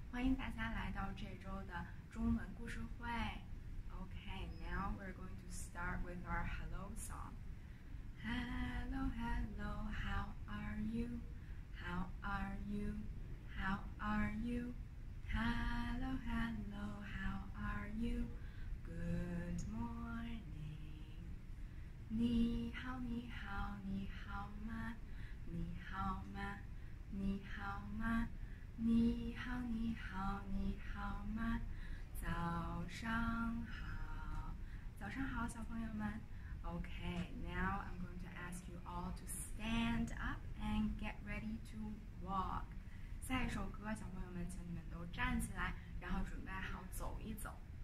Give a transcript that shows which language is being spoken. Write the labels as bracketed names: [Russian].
[Chinese] 欢迎大家来到这周的中文故事会。 [English] Okay, now we're going to start with our hello song. Hello, hello, how are you? How are you? How are you? Hello, hello, how are you? Good morning. [Chinese] 你好，你好，你好吗？你好吗？你好吗？你好，你好，你好吗？早上好。早上好，小朋友们。 [English] Okay, now I'm going to ask you all to stand up and get ready to walk. [Chinese] 下一首歌，小朋友们，请你们都站起来，然后准备好走一走。